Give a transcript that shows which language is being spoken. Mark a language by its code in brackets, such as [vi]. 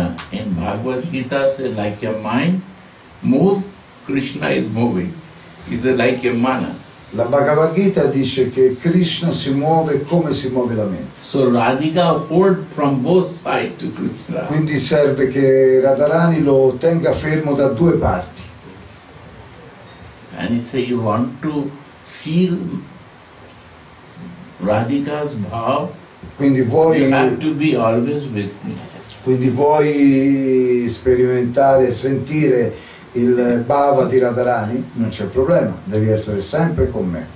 [en] In Bhagavad Gita say like your mind move, Krishna is moving. Is like a mana. [it] La Bhagavad Gita dice che Krishna si muove come si muove la mente. [en] So Radhika hold from both sides to Krishna. [it] Quindi serve che Radharani lo tenga fermo da due parti. [en] And he say you want to feel Radhika's bhav. [it] Quindi vuoi, [en] you have to be always with me. [it] Quindi vuoi sperimentare, sentire il bhava di Radharani? Non c'è problema, devi essere sempre con me.